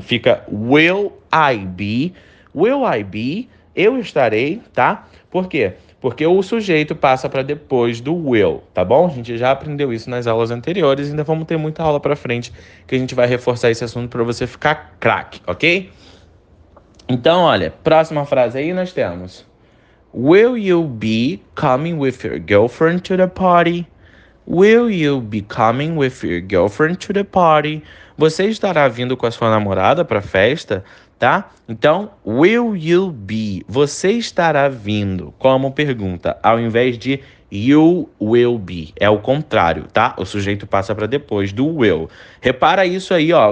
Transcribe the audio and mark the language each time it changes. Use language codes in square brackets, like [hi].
[pt] Fica [en] will I be. Will I be, [pt] eu estarei, tá? Por quê? Porque o sujeito passa para depois do will, tá bom? A gente já aprendeu isso nas aulas anteriores, ainda vamos ter muita aula para frente que a gente vai reforçar esse assunto para você ficar craque, ok? Então, olha, próxima frase aí nós temos: [en] Will you be coming with your girlfriend to the party? Will you be coming with your girlfriend to the party? [pt] Você estará vindo com a sua namorada para a festa, tá? Então, [en] will you be? [pt] Você estará vindo como pergunta, ao invés de [en] you will be. [pt] É o contrário, tá? O sujeito passa para depois do will. Repara isso aí, ó.